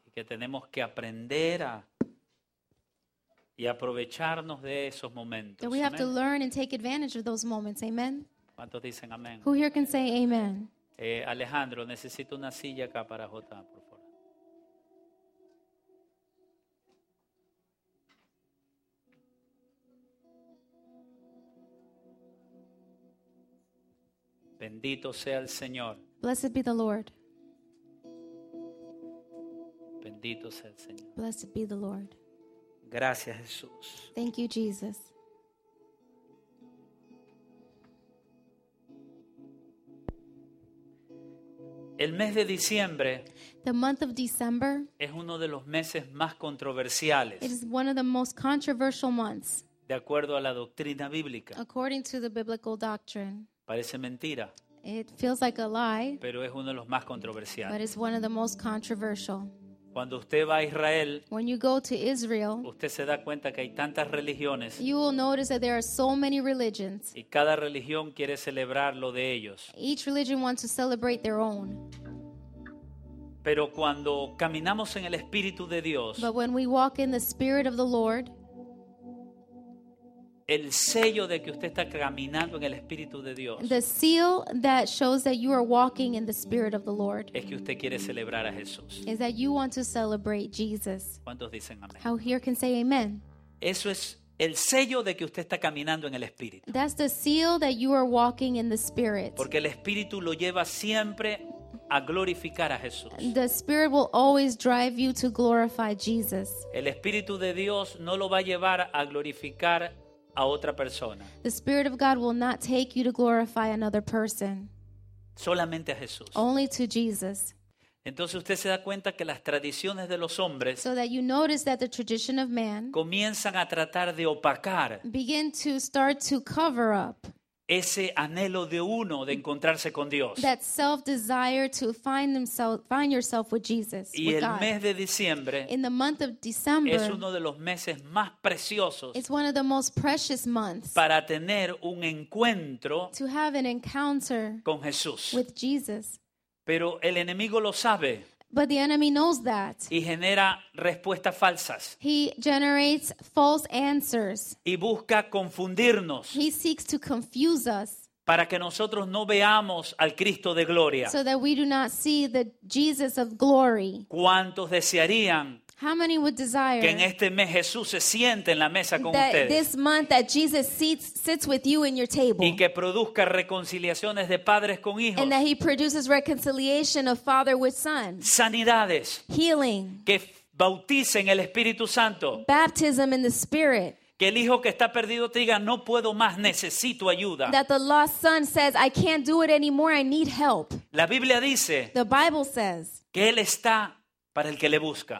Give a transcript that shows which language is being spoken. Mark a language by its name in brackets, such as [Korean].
[Spanish] Que tenemos que aprender a y aprovecharnos de esos momentos. [English] That we have to learn and take advantage of those moments. [Spanish] Amen. ¿Cuántos dicen amén? [English] Who here can say amen? [Spanish] Alejandro, necesito una silla acá para Jota, por favor. Bendito sea el Señor. [English] Blessed be the Lord. [Spanish] Bendito sea el Señor. [English] Blessed be the Lord. [Spanish] Gracias, Jesús. [English] Thank you, Jesus. [Spanish] El mes de diciembre. [English] The month of December. [Spanish] Es uno de los meses más controversiales. [English] It is one of the most controversial months. [Spanish] De acuerdo a la doctrina bíblica. [English] According to the biblical doctrine. [Spanish] Parece mentira. [English] It feels like a lie. [Spanish] Pero es uno de los más controversiales. [English] But it's one of the most controversial. [Spanish] Cuando usted va a Israel, [English] when you go to Israel, [Spanish] usted se da cuenta que hay tantas religiones. [English] You will notice that there are so many religions. [Spanish] Y cada religión quiere celebrar lo de ellos. [English] Each religion wants to celebrate their own. [Spanish] Pero cuando caminamos en el Espíritu de Dios, [English] but when we walk in the Spirit of the Lord, [Spanish] el sello de que usted está caminando en el Espíritu de Dios, [English] the seal that shows that you are walking in the Spirit of the Lord, [Spanish] es que usted quiere celebrar a Jesús. [English] Is that you want to celebrate Jesus. [Spanish] ¿Cuántos dicen amén? [English] How here can say amen? [Spanish] Eso es el sello de que usted está caminando en el Espíritu. [English] That's the seal that you are walking in the Spirit. [Spanish] Porque el Espíritu lo lleva siempre a glorificar a Jesús. [English] The Spirit will always drive you to glorify Jesus. [Spanish] El Espíritu de Dios no lo va a llevar a glorificar a otra persona. [English] The Spirit of God will not take you to glorify another person. [Spanish] Solamente a Jesús. [English] Only to Jesus. [Spanish] Entonces usted se da cuenta que las tradiciones de los hombres, [English] so that you notice that the tradition of man, [Spanish] comienzan a tratar de opacar, [English] begin to start to cover up, [Spanish] ese anhelo de uno de encontrarse con Dios. [English] That self-desire to find yourself with Jesus. [Spanish] Y [English] with [Spanish] el [English] God. [Spanish] Mes de diciembre, [English] in the month of December, [Spanish] es uno de los meses más preciosos. [English] It's one of the most precious months. [Spanish] Para tener un encuentro, [English] to have an encounter [Spanish] con Jesús. [English] With Jesus. [Spanish] Pero el enemigo lo sabe. [English] But the enemy knows that. [Spanish] Y genera respuestas falsas. [English] He generates false answers. [Spanish] Y busca confundirnos. [English] He seeks to confuse us. [Spanish] Para que nosotros no veamos al Cristo de gloria. [English] So that we do not see the Jesus of glory. [Spanish] ¿Cuántos desearían? [English] How many would desire [Spanish] que en este mes Jesús se siente en la mesa con [English] that [Spanish] ustedes? [English] This month that Jesus sits with you in your table. [Spanish] Y que produzca reconciliaciones de padres con hijos. [English] And that he produces reconciliation of father with son. [Spanish] Sanidades. [English] Healing. [Spanish] Que bautice en el Espíritu Santo. [English] Baptism in the Spirit. [Spanish] Que el hijo que está perdido te diga, no puedo más, necesito ayuda. [English] That the lost son says, I can't do it anymore, I need help. [Spanish] La Biblia dice, [English] the Bible says, [Spanish] que él está para el que le busca.